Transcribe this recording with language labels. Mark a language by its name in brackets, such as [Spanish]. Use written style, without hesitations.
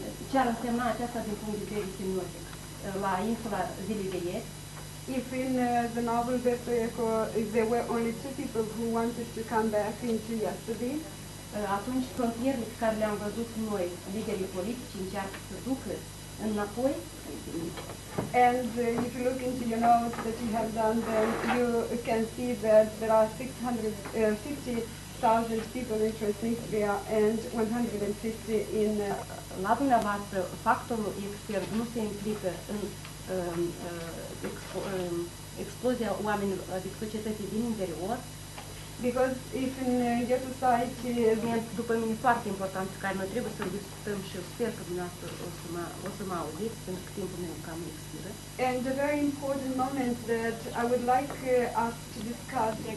[Romanian] Ce ar însemna aceasta din punct de vedere simbolic? La insula zilei de ieri. [English] If in the novel Umberto Eco there were only two people who wanted to come back into yesterday, [Romanian] atunci frontierele pe care le-am văzut noi, liderii politici încearcă să ducă înapoi. [English] And if you look into your notes that you have done, then you can see that there are 650,000 people in Transnistria and 150 in [Romanian] La dumneavoastră, factorul extern nu se implică în explozia oamenilor, adică societății din interior. [English] Because if in your society... [Romanian] După mine, foarte important, care noi trebuie să discutăm și sper că dumneavoastră o să mă auziți, pentru că timpul meu cam expiră. [English] And a very important moment that I would like us to discuss.